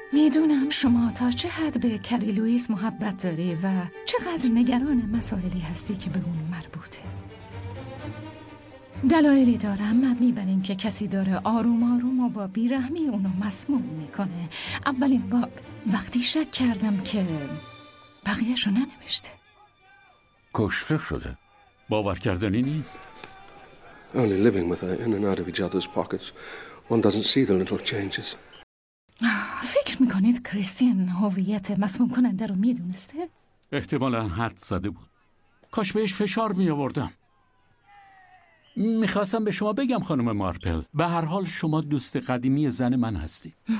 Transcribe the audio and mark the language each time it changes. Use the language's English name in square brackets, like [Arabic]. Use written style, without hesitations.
[Persian] میدونم شما تا چه حد به کری لوئیس محبت داری و چقدر نگران مسائلی هستی که به اون مربوطه. دلایلی دارم مبنی بر این که کسی داره آروم آروم و با بیرحمی اونو مسموم میکنه. اولین بار وقتی شک کردم که بقیهشو ننوشته. کشته شده؟ باور کردنی نیست. [English] Only living with her in and out of each other's pockets. One doesn't see the little changes. [Persian] فکر میکنید کریستین هویت مسموم کننده رو میدونسته؟ احتمالا حد زده بود. کاش بهش فشار میآوردم. میخواستم به شما بگم خانم مارپل، به هر حال شما دوست قدیمی زن من هستید.